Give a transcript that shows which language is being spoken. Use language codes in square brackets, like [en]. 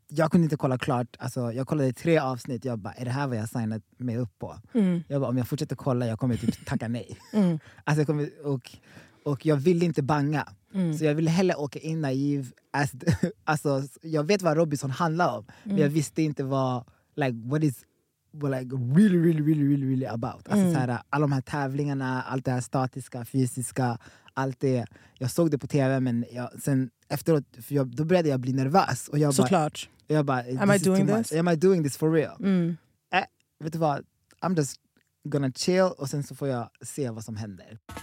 [sv] Jag kunde inte kolla klart. Alltså, jag kollade 3 avsnitt. Jag bara, är det här vad jag signat mig upp på? Mm. Jag bara, om jag fortsätter kolla, jag kommer typ tacka nej. Mm. Alltså, och jag ville inte banga. Mm. Så jag ville hellre åka in naiv. Alltså, jag vet vad Robinson handlar om. Mm. Men jag visste inte vad, [en] like, what is like, really, really, really, really, really about. [sv] Alltså, så här, alla de här tävlingarna, allt det här statiska, fysiska, allt det. Jag såg det på tv, men jag, sen efteråt, för jag, då började jag bli nervös. Och jag såklart. [en] Bara, Am I doing this for real? Mm. [sv] Vet du vad? [en] I'm just gonna chill [sv] och sen så får jag se vad som händer.